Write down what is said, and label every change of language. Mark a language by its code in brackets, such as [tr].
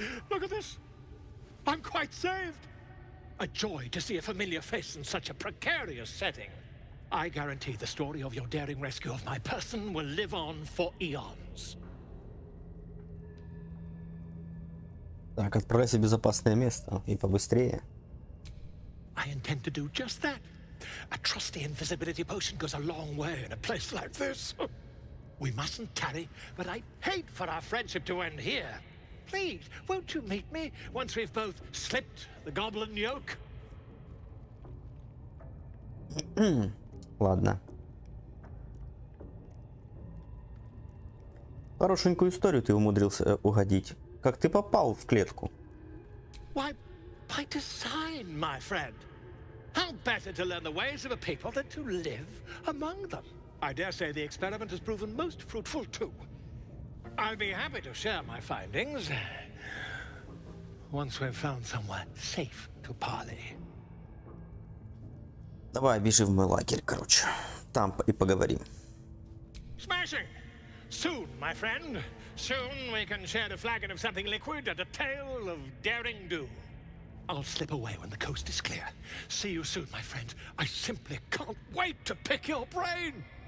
[en] Look at this. I'm quite saved. A joy to see a familiar face in such a precarious setting. I guarantee the story of your daring rescue of my person will live on for eons. [ru] Так, отправляйся в безопасное место и побыстрее. [en] I intend to do just that. A trusty invisibility potion goes a long way in a place like this. We mustn't tarry, but I'd hate for our friendship to end here. Please, won't you meet me once we've both slipped the goblin yoke? [ru] Ладно. Хорошенькую историю ты умудрился угодить. Как ты попал в клетку? [en] Why, by design, my friend. How better to learn the ways of a people than to live among them? I dare say the experiment has proven most fruitful too. I'll be happy to share my findings once we've found somewhere safe to parley. [ru] Давай, бежи в мой лагерь, короче. Там и поговорим. [en] Smashing! Soon, my friend. Soon we can share the flagon of something liquid and a tale of daring do. I'll slip away when the coast is clear. See you soon, my friend. I simply can't wait to pick your brain!